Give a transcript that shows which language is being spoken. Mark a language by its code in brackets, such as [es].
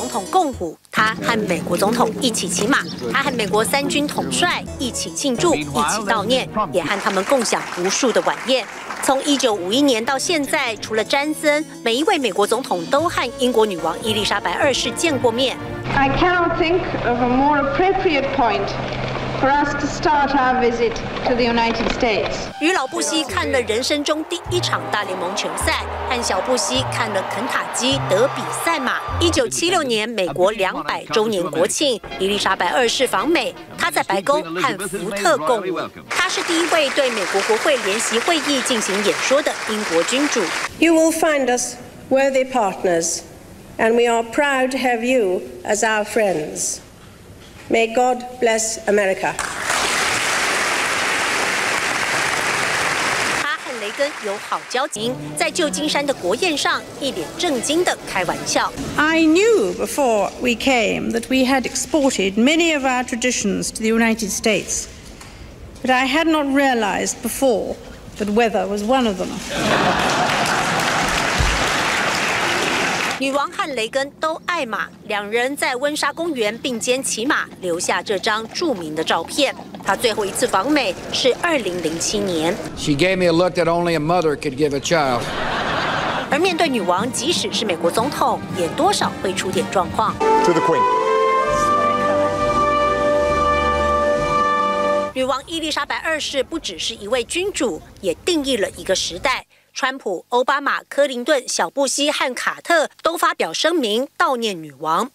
[zh] 共舞，他和美国总统一起骑马，他和美国三军统帅一起庆祝，一起悼念，也和他们共享无数的晚宴。从1951年到现在，除了詹森，每一位美国总统都和英国女王伊丽莎白二世见过面。 [en] I cannot think of a more appropriate point. For us to start our visit to the United States. [zh] 与老布希看了人生中第一场大联盟球赛，和小布希看了肯塔基德比赛马。 1976年美国200周年国庆，伊丽莎白二世访美，她在白宫和福特共舞。她是第一位对美国国会联席会议进行演说的英国君主。 [en] You will find us worthy partners, and we are proud to have you as our friends. May God bless America. [zh] 他和雷根有好交情，在旧金山的国宴上，一脸正经的开玩笑。 [en] I knew before we came that we had exported many of our traditions to the United States, but I had not realized before that weather was one of them. [zh] 女王和雷根都爱马，两人在温莎公园并肩骑马，留下这张著名的照片。她最后一次访美是2007年。 [en] She gave me a look that only a mother could give a child. [zh] 而面对女王，即使是美国总统，也多少会出点状况。 [en] To the Queen. [zh] 女王伊丽莎白二世不只是一位君主，也定义了一个时代。川普、奥巴马、克林顿、小布希和卡特都发表声明悼念女王。